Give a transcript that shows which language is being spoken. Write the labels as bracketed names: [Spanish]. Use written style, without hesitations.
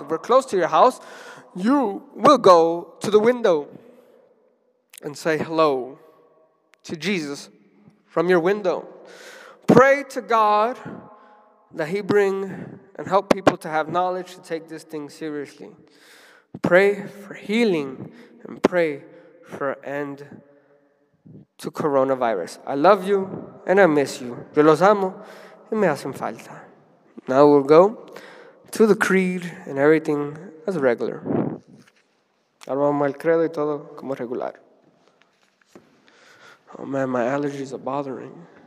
[English] If we're close to your house, you will go to the window and say hello to Jesus from your window. Pray to God that He bring and help people to have knowledge to take this thing seriously. Pray for healing and pray for end to coronavirus. I love you and I miss you. [Spanish] Yo los amo y me hacen falta. [English] Now we'll go to the creed and everything as regular. [Spanish] Armamos el credo y todo como regular. [English] Oh man, my allergies are bothering.